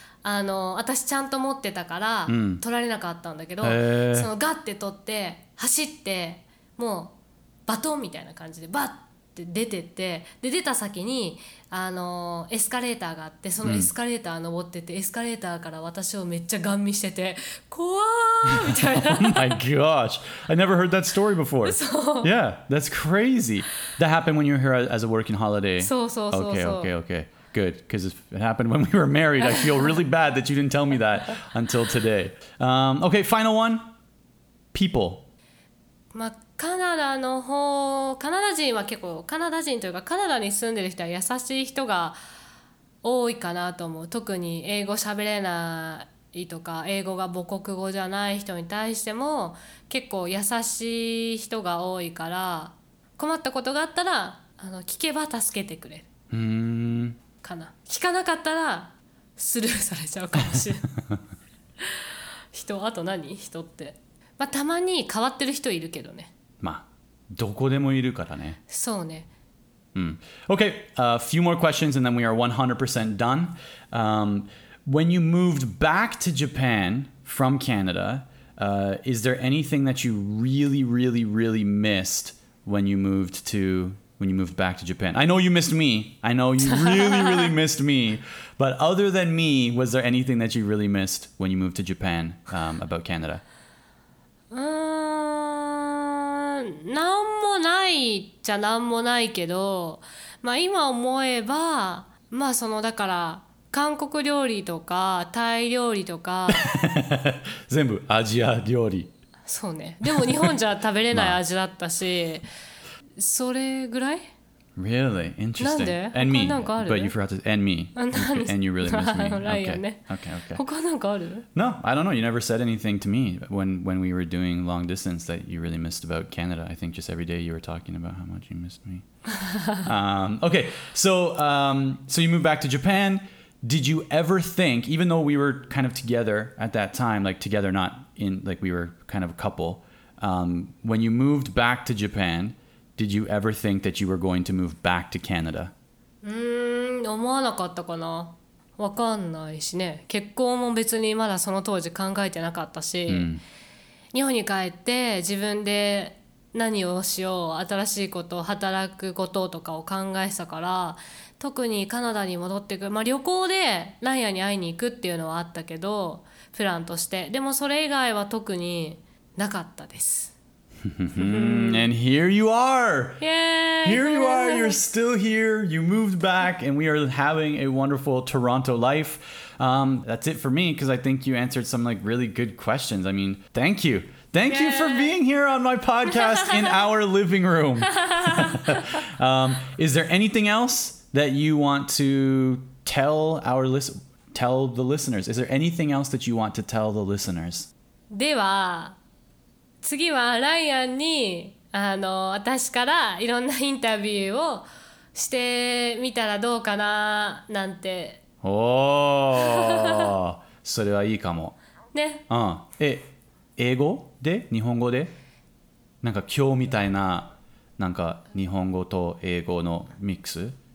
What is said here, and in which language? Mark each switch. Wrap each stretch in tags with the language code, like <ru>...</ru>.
<ja>あの私ちゃんと持ってたから取られなかったんだけど、うん、そのガッて取って走ってもうバトンみたいな感じでバッて出てって、で出た先にあのエスカレーターがあって、そのエスカレーター登ってて、うん、エスカレーターから私をめっちゃガン見してて怖ーみたいな。</ja> <en>Oh my gosh, I never heard that story before.</en> <ja>そう、</ja> <en>Yeah, that's crazy. That happened when you were here as a working holiday.</en> <ja>そうそうそうそう。</ja> <en>Okay, okay, okay. Good, because if it happened when we were married, I feel really bad that you didn't tell me that until today. Okay, final one. People.</en> <ja>まあ、カナダの方、カナダ人は結構、カナダ人というか、カナダに住んでる人は優しい人が多いかなと思う。特に英語喋れないとか、英語が母国語じゃない人に対しても、結構優しい人が多いから、困ったことがあったら、あの聞けば助けてくれる。かな、聞かなかったらスルーされちゃうかもしれない人、あと何人って、まあたまに変わってる人いるけどね、まあどこでもいるからね、そうね、</ja> <en>うん、OK、a few more questions and then we are 100% done、when you moved back to Japan from Canada、is there anything that you really really really missed when you moved toWhen you moved back to Japan. I know you missed me. I know you really, really missed me. But other than me, was there anything that you really missed when you moved to Japan, about Canada?</en> <ja>なんもないじゃなんもないけど、まあ今思えば、まあそのだから韓国料理とかタイ料理とか。全部アジア料理。そうね。でも日本じゃ食べれない味だったし、それぐらい?</ja> <en>Really? Interesting.</en> <ja>なんで?</ja> <en>And me. But you forgot to... And me. Okay. And you really missed me. Okay. Okay, okay.</en> <ja>他なんかある?</ja> <en>No, I don't know. You never said anything to me when we were doing long distance that you really missed about Canada. I think just every day you were talking about how much you missed me. okay, so you moved back to Japan. Did you ever think, even though we were kind of together at that time, like together, not in, like we were kind of a couple, when you moved back to Japan... Did you ever think that you were going to move back to Canada?</en> <ja>思わなかったかな。わかんないしね。結婚も別にまだその当時考えてなかったし、mm. 日本に帰って自分で何をしよう、新しいこと、働くこととかを考えたから、特にカナダに戻ってくる、まあ旅行でライアンに会いに行くっていうのはあったけど、プランとして。でもそれ以外は特になかったです。</ja> <en>And here you are! Yay! Here you are, you're still here, you moved back, and we are having a wonderful Toronto life. That's it for me, because I think you answered some like really good questions. I mean, thank you. Thank you for being here on my podcast in our living room. is there anything else that you want to tell the listeners? Is there anything else that you want to tell the listeners?</en> <ja>では次はライアンにあの私からいろんなインタビューをしてみたらどうかななんて。おお、それはいいかも。ね。うん。え、英語で日本語でなんか今日みたいななんか日本語と英語のミックス。</ja>